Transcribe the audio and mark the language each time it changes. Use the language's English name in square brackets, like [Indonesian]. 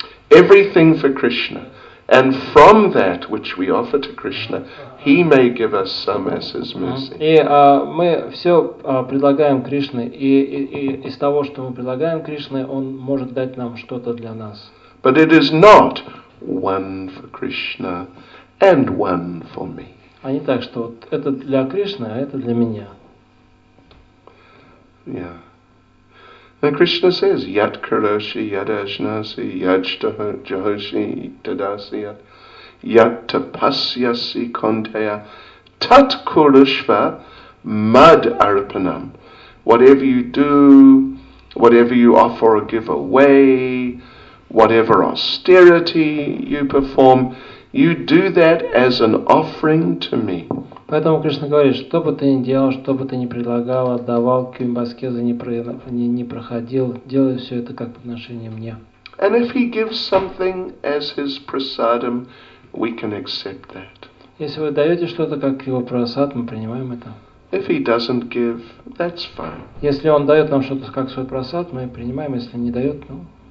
[English] Everything for Krishna, and from that which we offer to Krishna, he may give us some as his mercy. [Russian] И мы все предлагаем Кришне, и из того, что мы предлагаем Кришне, он может дать нам что-то для нас. [English] But it is not one for Krishna and one for me. [Russian] А не так, что вот это для Кришны, а это для меня. [English] Yeah. And Krishna says, [Sanskrit] Yat karoshi, yad ajnasi, yad jahoshi, tadasi, yat tapasyasi konteya, tat kurushva, mad arpanam. [English] Whatever you do, whatever you offer or give away, whatever austerity you perform, you do that as an offering to me. [Russian] Поэтому Кришна говорит, что бы ты ни делал, что бы ты ни предлагал, отдавал, какими бы аскезы не проходил, делай все это как подношение мне. [English] And if he gives something as his prasadam, we can accept that. [Russian] Если вы даете что-то как его прасад, мы принимаем это. [English] If he doesn't give, that's fine. [Russian] Если он дает нам что-то как свой прасад, мы принимаем, если не дает, ну...